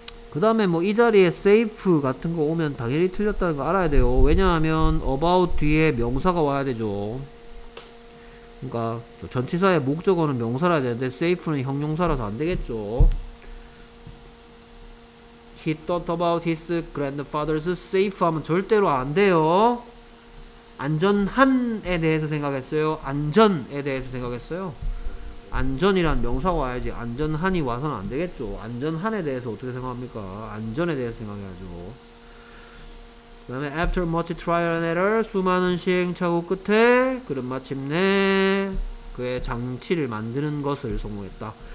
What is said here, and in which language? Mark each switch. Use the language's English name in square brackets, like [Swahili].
[Korean] 그 다음에 뭐 이 자리에 safe 같은 거 오면 당연히 틀렸다는 거 알아야 돼요. 왜냐하면 about 뒤에 명사가 와야 되죠. 그러니까 전치사의 목적어는 명사라야 되는데 safe는 형용사라서 안 되겠죠. [English] He thought about his grandfather's safe [Korean] 하면 절대로 안 돼요. 안전한에 대해서 생각했어요. 안전에 대해서 생각했어요. 안전이란 명사가 와야지 안전한이 와서는 안 되겠죠. 안전한에 대해서 어떻게 생각합니까? 안전에 대해서 생각해야죠. 그 다음에 [English] after much trial and error, [Korean] 수많은 시행착오 끝에 그는 마침내 그의 장치를 만드는 것을 성공했다.